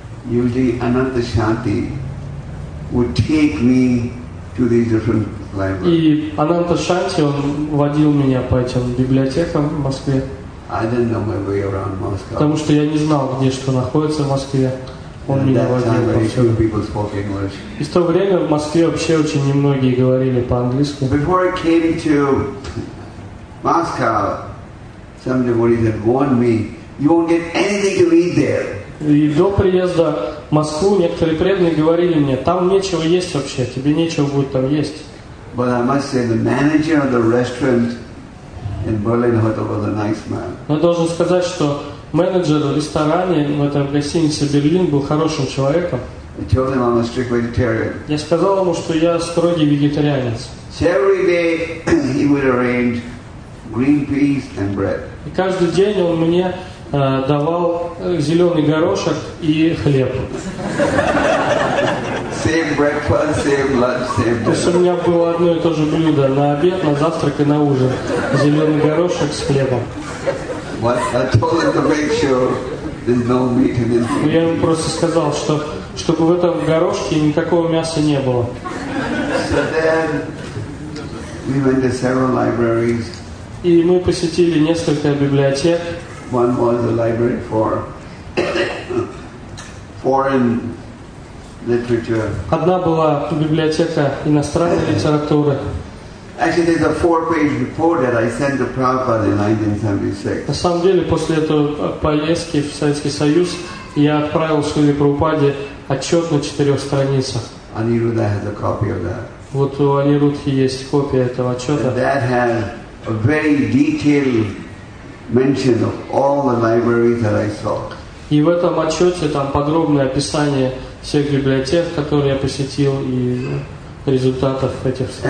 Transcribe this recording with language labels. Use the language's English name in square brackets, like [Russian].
[English] Usually Ananda Shanti would take me to these different libraries. [Russian] И Ананда Шанти, он водил меня по этим библиотекам в Москве. [English] I didn't know my way around Moscow. [Russian] Потому что я не знал, где что находится в Москве. Он меня водил повсюду. [English] People spoke English. [Russian] И в то время в Москве вообще очень немногие говорили по-английски. [English] Before I came to Moscow, some devotees had warned me, you won't get anything to eat there. [Russian] И до приезда в Москву некоторые преданные говорили мне, там нечего есть вообще, тебе нечего будет там есть. [English] But I must say, the manager of the restaurant in Berlin Hotel was a nice man. [Russian] Я должен сказать, что менеджер в ресторане в этом гостинице Берлин был хорошим человеком. [English] I told him I'm a strict vegetarian. [Russian] Я сказал ему, что я строгий вегетарианец. [English] So every day he would arrange green peas and bread. [Russian] И каждый день он мне давал зеленый горошек и хлеб. [English] Same breakfast, same lunch, same dinner. [Russian] То есть у меня было одно и то же блюдо на обед, на завтрак и на ужин. Зеленый горошек с хлебом. [English] I told him to make sure there's no meat in this. [Russian] Я ему просто сказал, что чтобы в этом горошке никакого мяса не было. [English] So then we went to several libraries. [Russian] И мы посетили несколько библиотек. [English] One was a library for foreign literature. [Russian] Одна была библиотека иностранной литературы. [English] Actually, there's a 4-page report that I sent to Prabhupada in 1976. [Russian] На самом деле, после этого поездки в Советский Союз, я отправил Шриле Прабхупаде отчет на 4 страницах. [English] Aniruddha has a copy of that. [Russian] Вот у Анирудхи есть копия этого отчета. [English] And that had a very detailed mention of all the libraries that I saw. [Russian] И в этом отчете там подробное описание всех библиотек, которые я посетил, и результатов этих встреч.